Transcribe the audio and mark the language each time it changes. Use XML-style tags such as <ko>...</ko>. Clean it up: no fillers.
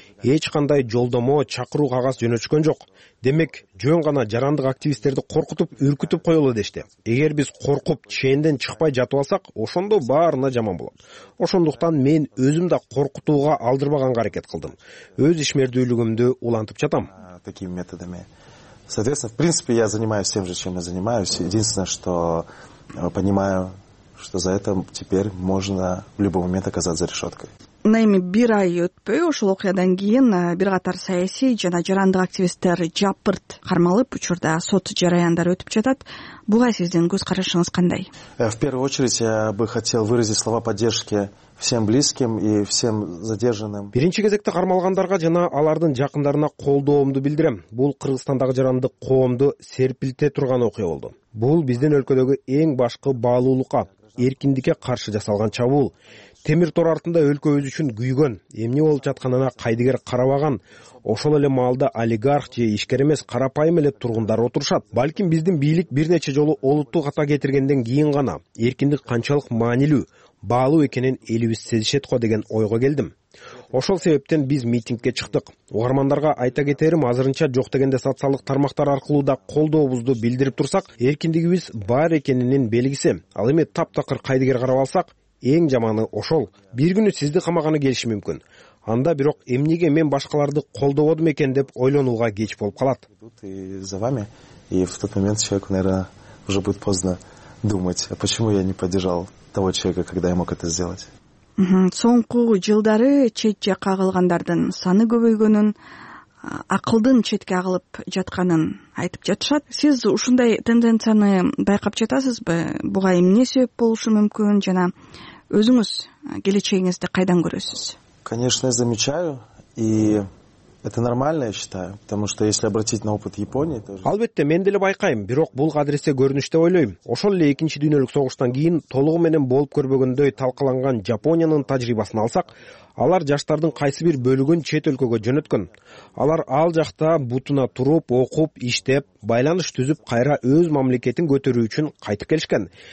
<ky>Эч кандай жолдомо, чакыруу кагаз жөнөтүшкөн жок. Демек, жөн гана жарандык активисттерди коркутуп, үркүтүп коёлу дешти. Эгер биз коркуп, чеенден чыкпай жатып алсак, ошондо баарына жаман болот. Ошондуктан мен өзүм да коркутууга алдырбаганга аракет кылдым. Өз ишмердүүлүгүмдү улантып жатам.</ky> <ru>Такими методами. Соответственно, в принципе, я занимаюсь тем же, чем я занимаюсь. Единственное, что понимаю, что за это теперь можно в любой момент оказаться за решеткой.</ru> <ky>Эми бир ай өтпөй ошол окуядан кийин бир катар саясий жана жарандык активисттер жапырт кармалып учурда сот жараяндары өтүп жатат. Буга сиздин көз карашыңыз кандай?</ky> <ru>В первую очередь я бы хотел выразить слова поддержки всем близким и всем задержанным.</ru> <ky>Биринчи кезекте кармалгандарга жана алардын жакындарына колдоомду билдирем. Бул Кыргызстандагы жарандык коомду серпилте турган окуя болду. Бул биздин өлкөдөгү эң башкы баалуулукка, эркиндикке каршы жасалган чабуул. Темир тор артында өлкөбүз үчүн күйгөн, эмне болуп жатканына кайдыгер карабаган, ошол эле маалда олигарх же ишкер эмес карапайым эле тургундар отурушат. Балким биздин бийлик бир нече жолу олутту ката кетиргенден кийин гана эркиндик канчалык маанилүү, баалуу экенин элибиз сезишет го деген ойго келдим. Ошол себептен биз митингке чыктык. Угармандарга айта кетерим, азырынча жок дегенде социалдык тармактар аркылуу да колдообузду билдирип турсак, эркиндигибиз бар экенинин белгиси. Ал эми таптакыр кайдыгер карап алсак, эң жаманы ошол. Бир күнү сизди камаганы келиши мүмкүн. Анда бирок эмнеге мен башкаларды колдободум экен деп ойлонууга кеч болуп калат.</ky> <ru>За вами, и в тот момент человеку, наверное, уже будет поздно думать, а почему я не поддержал того человека, когда я мог это сделать?</ru> <ky>Соңку жылдары чет жакка кагылгандардын саны көбөйгөнүн, акылдын четке агылып жатканын айтып жатышат. Сиз ушундай тенденцияны байкап жатасызбы? Буга эмне себеп болушу мүмкүн жана өзүңүз келечегиңизди кайдан көрөсүз?</ky> <ru>Конечно, я замечаю, и это нормально, я считаю, потому что если обратить на опыт Японии, то</ru> <ky>албетте мен деле байкайм, бирок бул кадресе көрүнүш деп ойлойм. Ошол эле 2-чи дүйнөлүк согуштан кийин толугу менен болуп көрбөгөндөй талкаланган Жапониянын тажрыйбасын алсак, алар жаштардын кайсы бир бөлүгүн чет өлкөгө жөнөткөн. Алар ал жакта бутуна туруп, окуп, иштеп, байланыш түзүп, кайра өз мамлекетин көтөрүү үчүн кайтып келишкен.</ky>